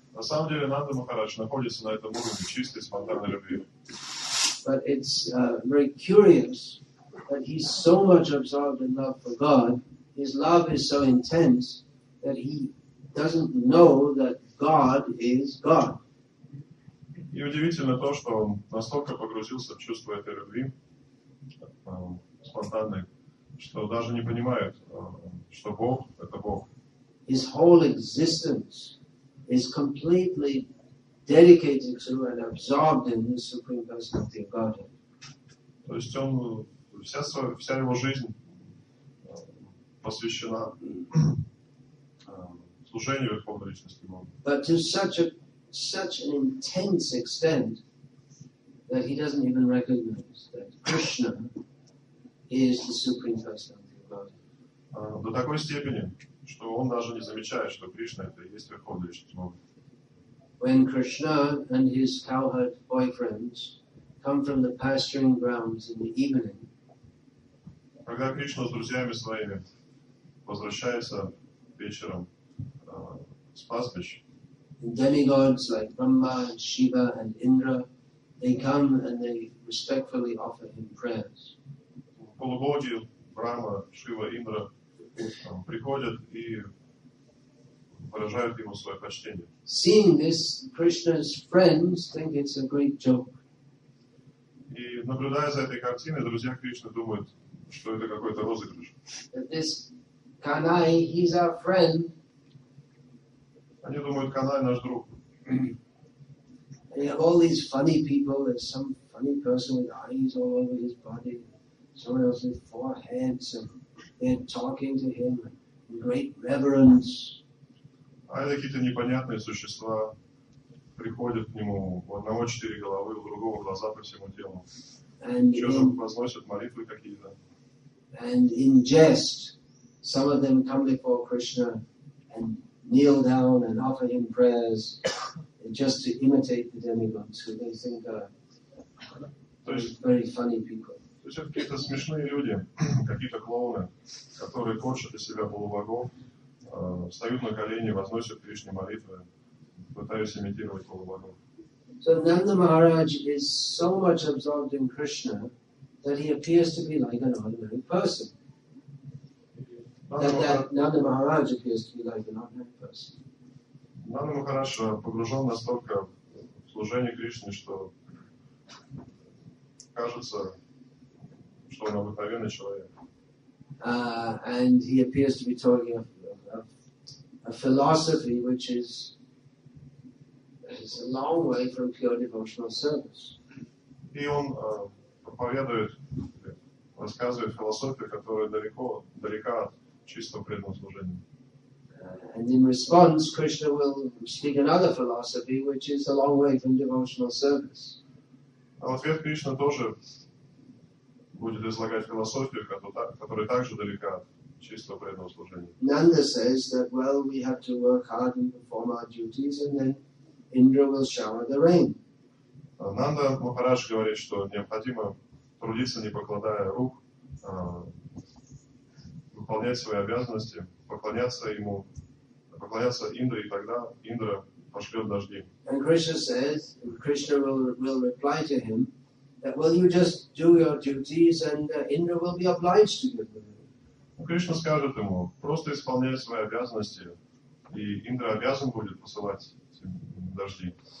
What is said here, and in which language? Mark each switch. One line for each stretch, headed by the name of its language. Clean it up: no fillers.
Russian: На самом деле, Нанда Махарадж находится на этом уровне чистой спонтанной любви.
English: But it's very curious that he's so much absorbed in love for God, his love is so intense that he doesn't know that God is God.
Russian: И удивительно то, что он настолько погрузился в чувство этой любви, спонтанной, что даже не понимает, что Бог — это Бог.
English: His whole existence is completely dedicated to and absorbed in the Supreme Personality of Godhead.
Russian: То есть он, вся его жизнь посвящена служению Верховной Личности Бога.
English: But to such an intense extent that he doesn't even recognize that Krishna is the Supreme Personality of Godhead.
Russian: До такой степени, что он даже не замечает, что Кришна это и есть Верховная Личность Бога.
English: When Krishna and his cowherd boyfriends come from the pasturing grounds in the evening,
Russian: когда Кришна с друзьями своими возвращается вечером с пастбищ,
English: demigods like Brahma and Shiva and Indra, they come and they respectfully offer him prayers.
Russian: Полубоги Брахма, Шива, Индра приходят и выражают ему свое почтение.
English: Seeing this, Krishna's friends think it's a great joke.
Russian: И наблюдая за этой картиной, друзья Кришны думают, что это какой-то розыгрыш.
English: This Kanai, he's our friend.
Russian: Они думают, Канай наш друг.
English: They have all these funny people. There's some funny person with eyes all over his body. Someone else with forehead. They're talking to him in great reverence.
Russian: А это какие-то непонятные существа приходят к нему. У одного четыре головы, у другого глаза по всему телу. Чего-то возносят молитвы какие-то.
English: And in jest, some of them come before Krishna and kneel down and offer him prayers just to imitate the demigods who they think are very funny people.
Russian: То есть какие-то смешные люди, какие-то клоуны, которые корчат из себя полубогов, встают на колени, возносят Кришне молитвы, пытаются имитировать полубогов.
English: So Nanda Maharaj is so much absorbed in Krishna that he appears to be like an ordinary person. Nanda Maharaj appears to be like an ordinary person.
Russian: Нанда Махарадж погружен настолько в служение Кришне, что кажется, что он обыкновенный человек.
English: And he appears to be talking of a philosophy which is a long way from pure devotional service.
Russian: И он проповедует, рассказывает философию, которая далека от чистого преданного служения.
English: And in response, Krishna will speak another philosophy, which is a long way from devotional service.
Russian: А в ответ Кришна тоже будет излагать философию, которая также далека от чистого преданного служения.
English: Nanda says that, well, we have to work hard and perform our duties, and then Indra will shower the rain.
Russian: Нанда Махарадж говорит, что необходимо трудиться, не покладая рук, выполнять свои обязанности, поклоняться ему, поклоняться Индре, и тогда Индра пошлет дожди.
English: And Krishna says, and Krishna will reply to him, that will you just do your duties and Indra will be obliged to give them.
Russian: Кришна скажет ему, просто исполняй свои обязанности, и Индра обязан будет посылать дожди.